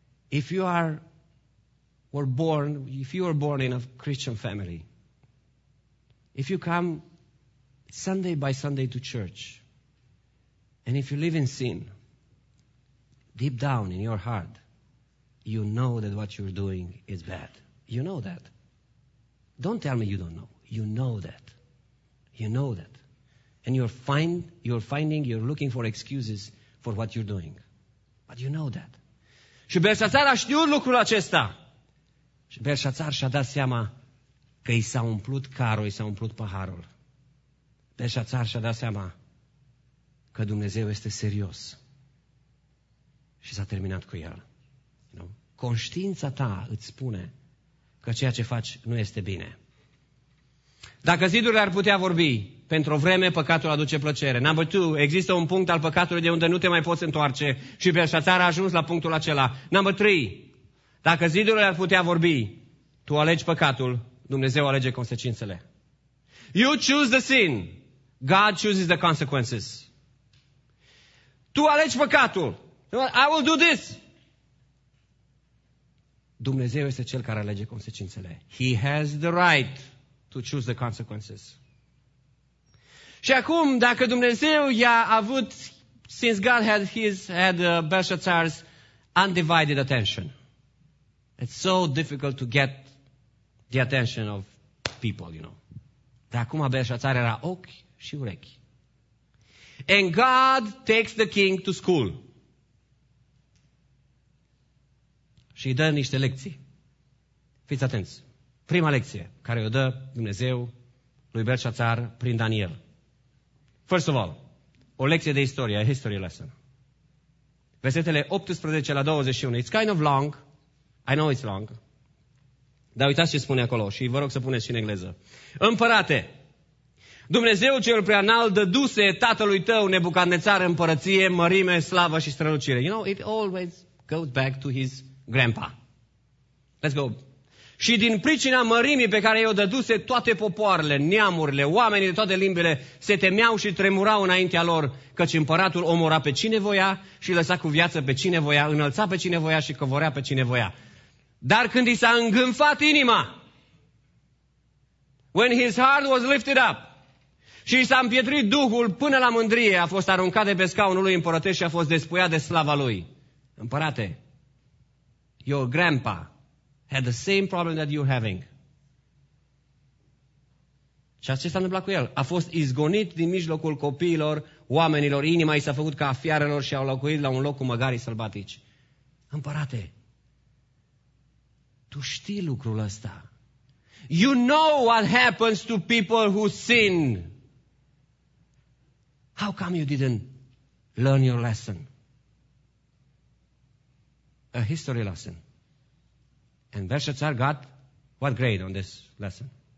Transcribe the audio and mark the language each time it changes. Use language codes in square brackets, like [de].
[en] If you were born in a Christian family, if you come Sunday by Sunday to church, and if you live in sin, deep down in your heart, you know that what you're doing is bad. You know that. Don't tell me you don't know. You know that. You know that. And you're looking for excuses for what you're doing. But you know that. [ro] Și Belșațar a știut lucrul acesta. Și Belșațar și-a dat seama că i s-a umplut carul, i s-a umplut paharul. Belșațar și-a dat seama că Dumnezeu este serios. Și s-a terminat cu el. Nu? Conștiința ta îți spune că ceea ce faci nu este bine. Dacă zidurile ar putea vorbi, pentru o vreme păcatul aduce plăcere. [en] Number two, [ro] există un punct al păcatului de unde nu te mai poți întoarce și Belșațar a ajuns la punctul acela. [en] Number three, [ro] dacă zidurile ar putea vorbi, tu alegi păcatul, Dumnezeu alege consecințele. [en] You choose the sin, God chooses the consequences. [ro] Tu alegi păcatul, [en] I will do this. [ro] Dumnezeu este cel care alege consecințele. [en] He has the right to choose the consequences. [ro] Și acum, dacă Dumnezeu i-a avut, [en] since God had Belshazzar's undivided attention, it's so difficult to get the attention of people, you know. [ro] Dar acum abia și-a țară era ochi și urechi. [en] And God takes the king to school. [ro] Și îi dă niște lecții. Fiți atenți. Prima lecție care o dă Dumnezeu lui Belșațar prin Daniel. [en] First of all, [ro] o lecție de istorie, [en] a history lesson. [ro] Versetele 18 la 21. [en] It's kind of long. I know it's long. [ro] Dar uitați ce spune acolo și vă rog să puneți și în engleză. Împărate, Dumnezeu cel preanalt dăduse tatălui tău Nebucadnețar împărăție, mărime, slavă și strălucire. [en] You know, it always goes back to his grandpa. Let's go. [ro] Și din pricina mărimii pe care i-o dăduse, toate popoarele, neamurile, oamenii de toate limbile se temeau și tremurau înaintea lor, căci împăratul omora pe cine voia și lăsa cu viață pe cine voia, înălța pe cine voia și covorea pe cine voia. Dar când i s-a îngânfat inima, [en] when his heart was lifted up, [ro] și i s-a împietrit duhul până la mândrie, a fost aruncat de pe scaunul lui împărătesc și a fost despuiat de slava lui. [en] Împărate, your grandpa had the same problem that you're having. [ro] Și ce s-a întâmplat cu el? A fost izgonit din mijlocul copiilor, oamenilor, inima i s-a făcut ca a fiarelor și au locuit la un loc cu măgarii sălbatici. Împărate, tu știi lucrul ăsta. [en] You know what happens to people who sin. How come you didn't learn your lesson? A history lesson. And Belshazzar got what grade on this lesson?